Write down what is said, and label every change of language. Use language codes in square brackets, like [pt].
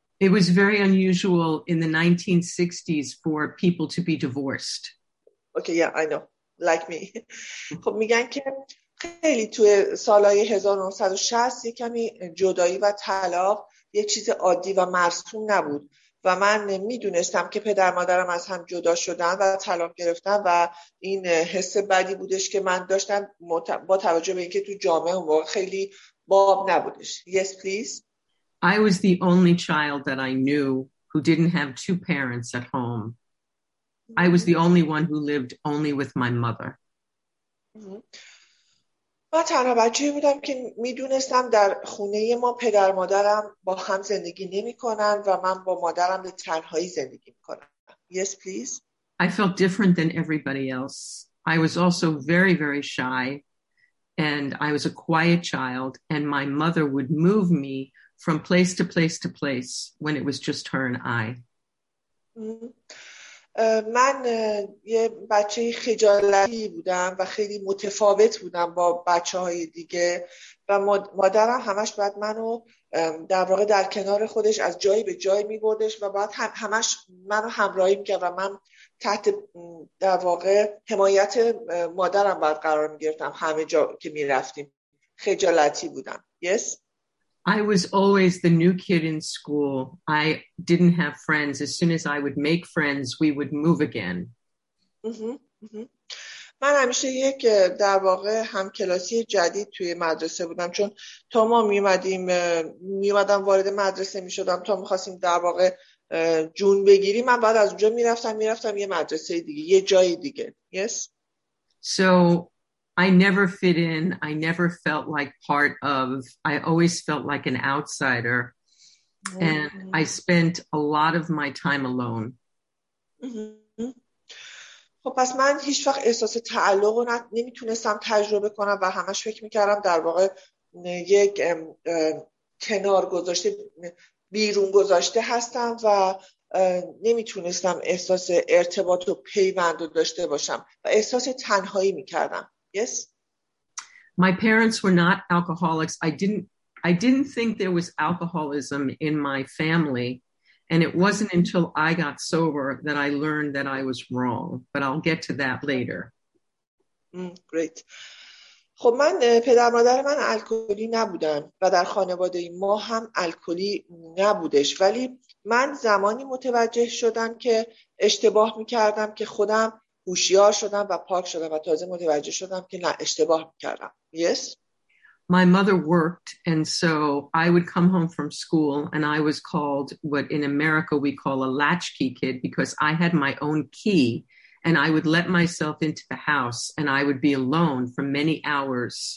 [en] It was very unusual in the 1960s for people to be divorced. Okay, yeah, I know. Like me. [fa] خب میگن که خیلی توی سالهای 1960 یک کمی جدایی و طلاق یه چیز عادی و مرسوم نبود و من میدونستم که پدر مادرم از هم جدا شدن و طلاق گرفتن و این حس بدی بودش که من داشتم با توجه به اینکه تو جامعه اون واقع خیلی باب نبودش. [en] Yes, please. I was the only child that I knew who didn't have two parents at home. I was the only one who lived only with my mother. [fa] من تنها بچه بودم که می دونستم در خونه ما پدر مادرم با هم زندگی نمی کنن و من با مادرم به تنهایی زندگی می کنم. [en] Yes, please. I felt different than everybody else. I was also very, very shy and I was a quiet child and my mother would move me from place to place to place when it was just her and I. [fa] من یه بچه خجالتی بودم و خیلی متفاوت بودم با بچه‌های دیگه و مادرم همش بعد منو در واقع در کنار خودش از جایی به جایی می‌بردش و بعد همش منو همراهی می‌کرد و من تحت در واقع حمایت مادرم بعد قرار می‌گرفتم همه جا که می‌رفتیم خجالتی بودم. [en] Yes. I was always the new kid in school. I didn't have friends. As soon as I would make friends, we would move again. [fa] من همیشه یک در واقع همکلاسی جدید توی مدرسه بودم چون تا ما میومدم وارد مدرسه میشدم تا میخواستیم در واقع جون بگیریم من بعد از اونجا میرفتم یه مدرسه دیگه یه جای دیگه. [en] Yes. So I never fit in. I never felt like part of. I always felt like an outsider. Mm-hmm. And I spent a lot of my time alone. [fa] خب پس من هیچ وقت احساس تعلق رو نمیتونستم تجربه کنم و همش فکر میکردم در واقع یک کنار گذاشته بیرون گذاشته هستم و نمیتونستم احساس ارتباط و پیوند رو داشته باشم و احساس تنهایی میکردم. [en] Yes. My parents were not alcoholics. I didn't think there was alcoholism in my family, and it wasn't until I got sober that I learned that I was wrong, but I'll get to that later. Great. [fa] خب من پدر مادر من الکلی نبودن و در خانواده ما هم الکلی نبودش ولی من زمانی متوجه شدم که اشتباه می‌کردم که خودم هوشیار شدم و پاک شدم و تازه متوجه شدم که نه اشتباه می‌کردم. [en] Yes. My mother worked and so I would come home from school and I was called what in America we call a latchkey kid because I had my own key and I would let myself into the house and I would be alone for many hours.